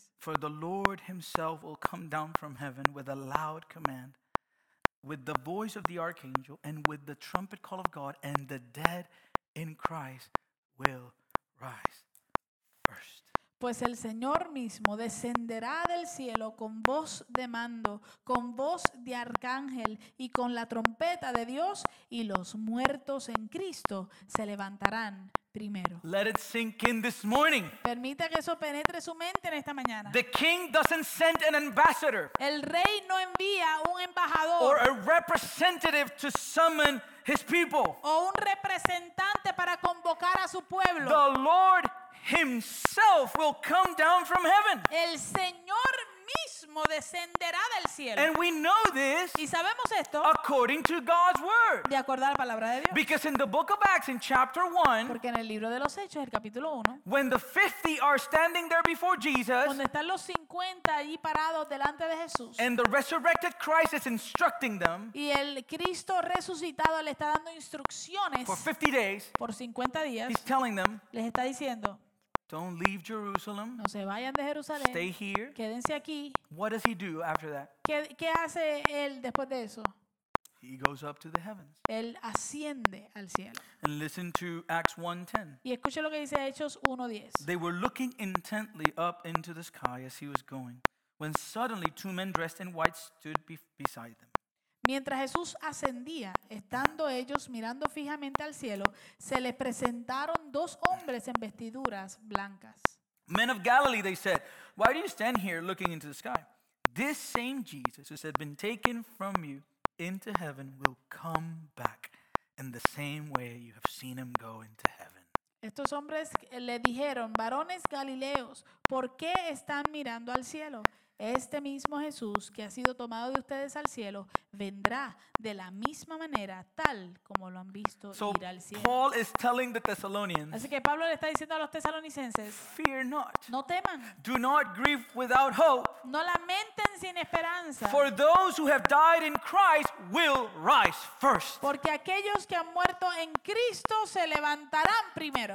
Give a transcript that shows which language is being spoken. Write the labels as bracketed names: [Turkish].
[English] For the Lord himself will come down from heaven with a loud command, with the voice of the archangel, and with the trumpet call of God, and the dead in Christ will rise first. [Spanish] Pues el Señor mismo descenderá del cielo con voz de mando, con voz de arcángel y con la trompeta de Dios, y los muertos en Cristo se levantarán primero. [English] Let it sink in this morning. [Spanish] Permita que eso penetre su mente en esta mañana. [English] The king doesn't send an ambassador. [Spanish] El rey no envía un embajador. [English] Or a representative to summon his people. [Spanish] O un representante para convocar a su pueblo. [English] The Lord himself will come down from heaven. [Spanish] El Señor mismo descenderá del cielo. [English] And we know this, [Spanish] y sabemos esto, [English] according to God's word. [Spanish] De acuerdo a la palabra de Dios. [English] Because in the book of Acts, in chapter 1, [Spanish] porque en el libro de los Hechos, el capítulo 1, [English] when the 50 are standing there before Jesus, [Spanish] cuando están los 50 allí parados delante de Jesús, [English] and the resurrected Christ is instructing them, [Spanish] y el Cristo resucitado le está dando instrucciones, [English] for 50 days, [Spanish] por 50 días, [English] he's telling them, [Spanish] les está diciendo, [English] don't leave Jerusalem. [Spanish] No se vayan de Jerusalén. [English] Stay here. [Spanish] Quédense aquí. [English] What does he do after that? [Spanish] ¿Qué hace él después de eso? [English] He goes up to the heavens. [Spanish] Él asciende al cielo. [English] And listen to Acts 1:10. [Spanish] Y escuche lo que dice Hechos 1:10. [English] They were looking intently up into the sky as he was going, when suddenly two men dressed in white stood beside them. [Spanish] Mientras Jesús ascendía, estando ellos mirando fijamente al cielo, se les presentaron dos hombres en vestiduras blancas. [English] Men of Galilee, they said, why do you stand here looking into the sky? This same Jesus who has been taken from you into heaven will come back in the same way you have seen him go into heaven. [Spanish] Estos hombres le dijeron, varones galileos, ¿por qué están mirando al cielo? Este mismo Jesús que ha sido tomado de ustedes al cielo vendrá de la misma manera tal como lo han visto ir al cielo. [English] Paul is telling the Thessalonians, [Spanish] así que Pablo le está diciendo a los tesalonicenses, [English] fear not, [Spanish] no teman, [English] do not grieve without hope, [Spanish] no lamenten sin esperanza, [English] for those who have died in Christ will rise first, [Spanish] porque aquellos que han muerto en Cristo se levantarán primero.